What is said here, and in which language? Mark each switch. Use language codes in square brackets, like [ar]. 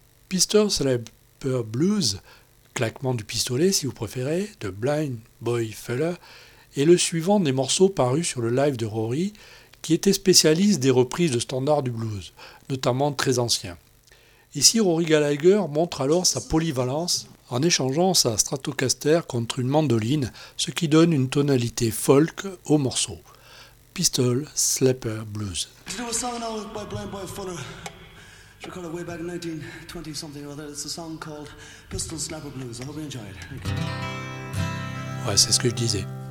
[fr] Pistol Slapper Blues, claquement du pistolet si vous préférez, de Blind Boy Fuller, et le suivant des morceaux parus sur le live de Rory, qui était spécialiste des reprises de standards du blues, notamment très anciens. Ici, Rory Gallagher montre alors sa polyvalence en échangeant sa Stratocaster contre une mandoline, ce qui donne une tonalité folk au morceau. Pistol Slapper Blues. [en] Did you know a song by Blind Boy Fuller? It's recorded way back in 1920 something or other. It's a song called Pistol Slapper Blues. I hope you enjoy it. Thank you. [fr] Ouais, c'est ce que je disais.